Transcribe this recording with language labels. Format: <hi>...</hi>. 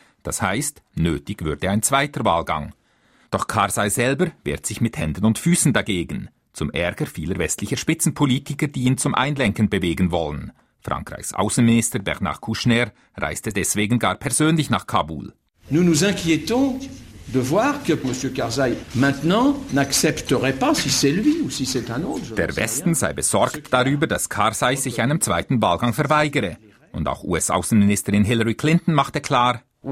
<de>Das heißt, nötig würde ein zweiter Wahlgang. Doch Karzai selber wehrt sich mit Händen und Füßen dagegen, zum Ärger vieler westlicher Spitzenpolitiker, die ihn zum Einlenken bewegen wollen. Frankreichs Außenminister Bernard Kouchner reiste deswegen gar persönlich nach Kabul.</de> <fr>Nous nous inquiétons de voir que Monsieur Karzai maintenant n'accepterait pas si c'est lui ou si c'est un autre.</fr> <de>Der Westen sei besorgt darüber, dass Karzai sich einem zweiten Wahlgang verweigere. Und auch US-Außenministerin Hillary Clinton machte klar,</de>